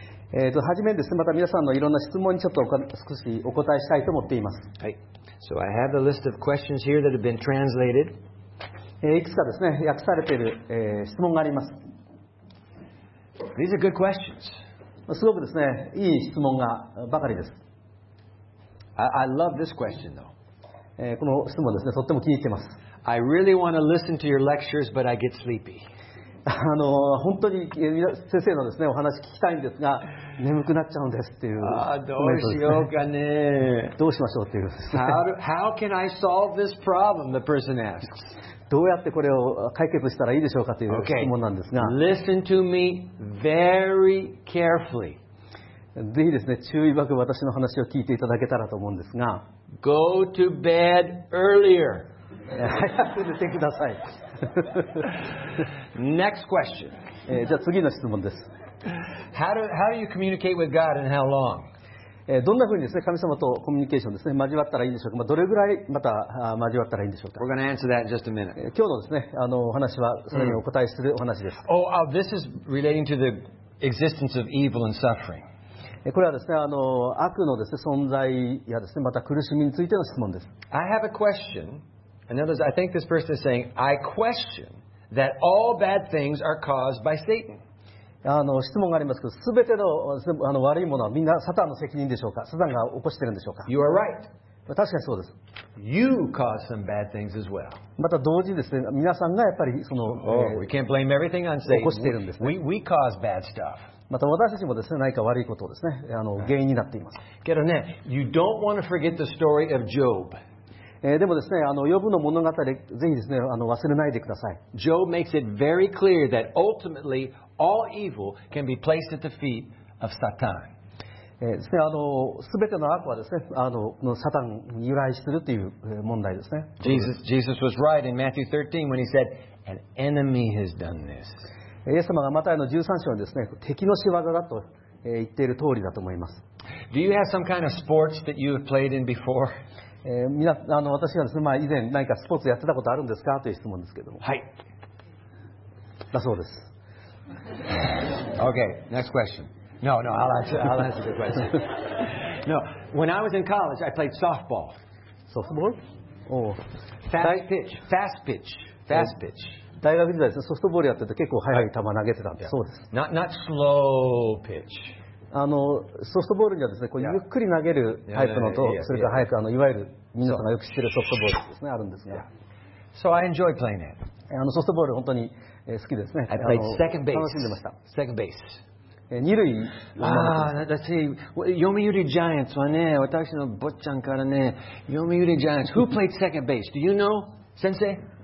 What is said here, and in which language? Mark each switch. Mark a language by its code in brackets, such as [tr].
[ja] 初めですね、また皆さんのいろんな質問にちょっと少しお答えしたいと思っています。はい。 [en] So I have a list of questions here that have been translated. [ja] いくつかですね、訳されている、質問があります。 [en] These are good questions. [ja] すごくですね、いい質問がばかりです。 [en] I love this question though. [ja] この質問ですね、とっても気に入っています。 [en] I really want to listen to your lectures, but I get sleepy. [ja] 本当に先生のですね、お話聞きたいんですが、眠くなっちゃうんですっていうコメントですね。どうしようかね。どうしましょうっていうです [en] ね。How can I solve this problem? The person asks. [ja] どうやってこれを解決したらいいでしょうかという質問なんですが。 [en] Okay. Listen to me very carefully. [ja] ぜひですね、注意深く私の話を聞いていただけたらと思うんですが。 [en] Go to bed earlier. [ja] 早く寝てください。 [en] Next question. [ja] じゃあ次の質問です。 [en] How do you communicate with God and how long? [ja] どんなふうにですね、神様とコミュニケーションですね、交わったらいいんでしょうか。まあ、どれぐらいまた交わったらいいんでしょうか。 [en] We're going to answer that in just a minute. [ja] 今日のですね、お話はそれにお答えするお話です。 [en] Oh, this is relating to the existence of evil and suffering. [ja] これはですね、悪のですね、存在やですね、また苦しみについての質問です。 [en] I have a question. In other words, I think this person is saying, I question that all bad things are caused by Satan. [ja] 質問がありますけど、すべてのですね、悪いものはみんなサタンの責任でしょうか、サタンが起こしてるんでしょうか。 [en] You are right. [ja] 確かにそうです。 [en] You cause some bad things as well. [ja] また同時にですね、皆さんがやっぱりその、 [en] we can't blame everything on Satan. [ja] 起こしてるんですね。 [en] We cause bad stuff. [ja] また私たちもですね、何か悪いことをですね、原因になっています。けどね、 [en] you don't want to forget the story of Job. [ja] でもですね、ヨブの物語、ぜひですね、忘れないでください。 [en] Job makes it very clear that ultimately all evil can be placed at the feet of Satan. [ja] ですね、すべての悪はですね、のサタンに由来するという問題ですね。 [en] Jesus was right in Matthew 13 when he said, an enemy has done this. [ja] イエス様がマタイの13章にですね、敵の仕業だと言っている通りだと思います。 [en] Do you have some kind of sports that you have played in before? [ja] 私はですね、まあ、以前何かスポーツやってたことあるんですかという質問ですけども。はい。だそうです。 [en] Okay, next question. No, I'll answer the question. No, when I was in college, I played softball. Softball? Oh. Fast pitch. [ja] 大学時代ですね、ソフトボールやってて結構速い球投げてたんで、そうです。 [en] Not slow pitch. [ja] ソフトボールにはですね、こうゆっくり投げるタイプのと、それから速く、いわゆる皆さんがよく知ってるソフトボールですね、あるんですが。 [en] So I enjoy playing it. [ja] ソフトボール本当に好きですね。 [en] I played second base. [ja] 楽しんでました。 [en] Second base. [ja] 二塁。 [en] Let's see. [ja] 読売ジャイアンツはね、私の坊ちゃんからね、読売ジャイアンツ。 [en] Who played second base? Do you know, 先生?